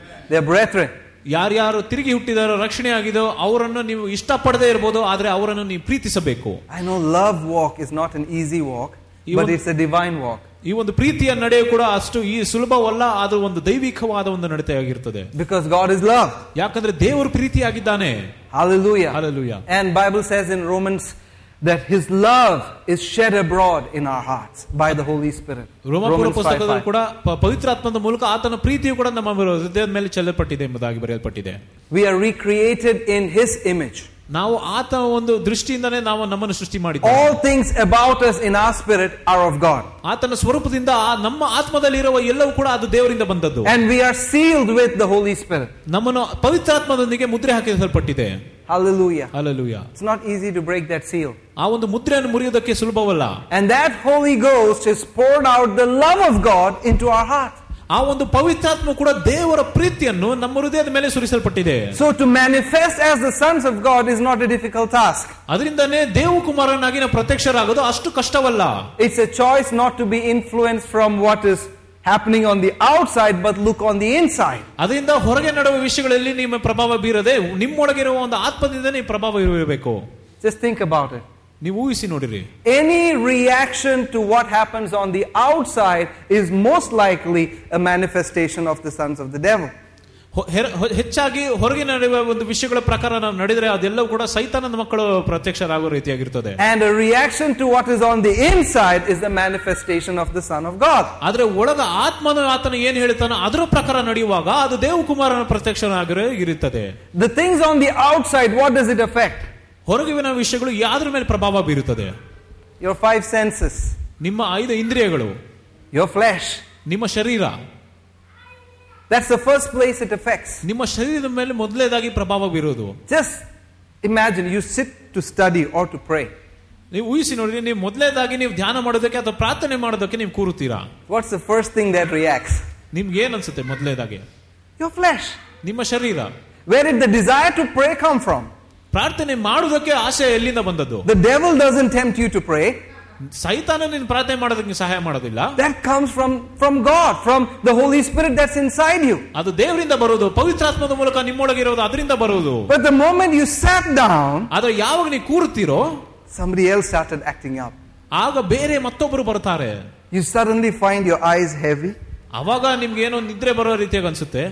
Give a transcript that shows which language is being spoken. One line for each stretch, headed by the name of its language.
English: They are brethren.
Kannada: ಯಾರು ಯಾರು ತಿರುಗಿ ಹುಟ್ಟಿದಾರ ರಕ್ಷಣೆ ಆಗಿದೋ ಅವರನ್ನು ನೀವು ಇಷ್ಟಪಡದೆ ಇರಬಹುದು, ಆದರೆ ಅವರನ್ನು ನೀವು ಪ್ರೀತಿಸಬೇಕು.
English: I know love walk is not an easy walk, but it's a divine walk.
Kannada: ಈ ಒಂದು ಪ್ರೀತಿಯ ನಡೆಯು ಕೂಡ ಅಷ್ಟು ಈ ಸುಲಭವಲ್ಲ, ಆದರೂ ಒಂದು ದೈವಿಕವಾದ ಒಂದು ನಡತೆಯಾಗಿರುತ್ತದೆ.
English: Because God is love.
Kannada: ಯಾಕಂದ್ರೆ ದೇವರು ಪ್ರೀತಿಯಾಗಿದ್ದಾನೆ.
English: Hallelujah. Hallelujah. And Bible says in Romans that his love is shed abroad in our hearts by the Holy Spirit. Romans 5:5.
Kannada: ಕೂಡ ಪವಿತ್ರಾತ್ಮದ ಮೂಲಕ ಆತನ ಪ್ರೀತಿಯು ಕೂಡ ನಮ್ಮ ಹೃದಯದ ಮೇಲೆ ಚೆಲ್ಲಲ್ಪಟ್ಟಿದೆ ಎಂಬುದಾಗಿ ಬರೆಯಲ್ಪಟ್ಟಿದೆ.
English: We are recreated in his image.
Kannada: ನಾವು ಆತನ ಒಂದು ದೃಷ್ಟಿಯಿಂದಲೇ ನಾವು ನಮ್ಮನ್ನು ಸೃಷ್ಟಿ ಮಾಡಿದ್ದೇವೆ.
English: All things about us in our spirit are of God.
Kannada: ಆತನ ಸ್ವರೂಪದಿಂದ ನಮ್ಮ ಆತ್ಮದಲ್ಲಿ ಇರುವ ಎಲ್ಲವೂ ಕೂಡ ಅದು ದೇವರಿಂದ ಬಂದದ್ದು.
English: And we are sealed with the Holy Spirit.
Kannada: ನಮ್ಮನ್ನು ಪವಿತ್ರಾತ್ಮದೊಂದಿಗೆ ಮುದ್ರೆ ಹಾಕಿಸಲ್ಪಟ್ಟಿದೆ.
English: Hallelujah. Hallelujah. It's not easy to break that seal.
Kannada: ಆ ಒಂದು ಮುದ್ರೆಯನ್ನು ಮುರಿಯುವುದಕ್ಕೆ ಸುಲಭವಲ್ಲ.
English: And that Holy Ghost has poured out the love of God into our heart.
Kannada: ಆ ಒಂದು ಪವಿತ್ರಾತ್ಮ ಕೂಡ ದೇವರ ಪ್ರೀತಿಯನ್ನು ನಮ್ಮ ಹೃದಯದ ಮೇಲೆ ಸುರಿಸಲ್ಪಟ್ಟಿದೆ.
English: So to manifest as the sons of God is not a difficult task.
Kannada: ಅದರಿಂದನೇ ದೇವಕುಮಾರನಾಗಿ ಪ್ರತ್ಯಕ್ಷರಾಗೋದು ಅಷ್ಟು ಕಷ್ಟವಲ್ಲ.
English: It's a choice not to be influenced from what is happening on the outside, but look on the inside.
Kannada: ಅದರಿಂದ ಹೊರಗೆ ನಡೆಯುವ ವಿಷಯಗಳಲ್ಲಿ ನಿಮ್ಮ ಪ್ರಭಾವ ಬೀರದೆ ನಿಮ್ಮೊಳಗೆ ಇರುವ ಒಂದು ಆತ್ಮದಿಂದನೇ ಪ್ರಭಾವ ಇರಬೇಕು.
English: Just think about it.
Kannada: ನೀವು ಊಹಿಸಿ ನೋಡಿರಿ.
English: Any reaction to what happens on the outside is most likely a manifestation of the sons of the devil.
Kannada: ಹೆಚ್ಚಾಗಿ ಹೊರಗೆ ನಡೆಯುವ ಒಂದು ವಿಷಯಗಳ ಪ್ರಕಾರ ನಾವು ನಡೆದರೆ ಅದೆಲ್ಲವೂ ಕೂಡ ಸೈತಾನದ ಮಕ್ಕಳು ಪ್ರತ್ಯಕ್ಷರಾಗುವ ರೀತಿಯಾಗಿರುತ್ತದೆ.
English: And a reaction to what is on the inside is the manifestation of the son of God.
Kannada: ಆದ್ರೆ ಒಳಗ ಆತ್ಮನು ಆತನ ಏನ್ ಹೇಳ್ತಾನೋ ಅದರ ಪ್ರಕಾರ ನಡೆಯುವಾಗ ಅದು ದೇವಕುಮಾರನ ಪ್ರತ್ಯಕ್ಷರಾಗಿರೋ ಇರುತ್ತದೆ.
English: The things on the outside what does it effect.
Kannada: ಹೊರಗಿನ ವಿಷಯಗಳು ಯಾವುದರ ಮೇಲೆ ಪ್ರಭಾವ ಬೀರುತ್ತದೆ?
English: your 5 senses,
Kannada: ನಿಮ್ಮ 5 ಇಂದ್ರಿಯಗಳು,
English: your flesh,
Kannada: ನಿಮ್ಮ ಶರೀರ.
English: That's the first place it affects.
Kannada: ನಿಮ್ಮ ಶರೀರದ ಮೇಲೆ ಮೊದಲನೇದಾಗಿ ಪ್ರಭಾವ ಬೀರುವುದು.
English: Just imagine you sit to study or to pray.
Kannada: ನೀವು ಊಹಿಸಿ ನೋಡಿ, ನೀವು ಮೊದಲನೇದಾಗಿ ನೀವು ಧ್ಯಾನ ಮಾಡೋದಕ್ಕೆ ಅಥವಾ ಪ್ರಾರ್ಥನೆ ಮಾಡೋದಕ್ಕೆ ನೀವು ಕೂರುತ್ತೀರಾ.
English: What's the first thing that reacts?
Kannada: ನಿಮ್ಗೆ ಏನನ್ಸುತ್ತೆ ಮೊದಲನೇದಾಗಿ?
English: Your flesh.
Kannada: ನಿಮ್ಮ ಶರೀರ.
English: Where did the desire to pray come from?
Kannada: ಪ್ರಾರ್ಥನೆ ಮಾಡೋದಕ್ಕೆ ಆಸೆ ಎಲ್ಲಿಂದ ಬಂದದ್ದು?
English: The devil doesn't tempt you to pray.
Kannada: ಸೈತಾನ ನಿನ್ನ ಪ್ರಾರ್ಥನೆ ಮಾಡೋದಕ್ಕೆ ಸಹಾಯ ಮಾಡೋದಿಲ್ಲ.
English: That comes from God, from the Holy Spirit that's inside you.
Kannada: ಅದು ದೇವರಿಂದ ಬರುವುದು, ಪವಿತ್ರಾತ್ಮದ ಮೂಲಕ ನಿಮ್ಮೊಳಗೆ ಇರುವುದು, ಅದರಿಂದ ಬರುವುದು.
English: But the moment you sat down,
Kannada: ಆದರೆ ಯಾವಾಗ ನೀವು ಕೂರುತ್ತೀರೋ,
English: somebody else started acting up.
Kannada: ಆಗ ಬೇರೆ ಮತ್ತೊಬ್ಬರು ಬರುತ್ತಾರೆ.
English: You suddenly find your eyes heavy.
Kannada: ಅವಾಗ ನಿಮ್ಗೆ ಏನೋ ನಿದ್ರೆ ಬರೋ ರೀತಿಯಾಗಿ ಅನ್ಸುತ್ತೆ.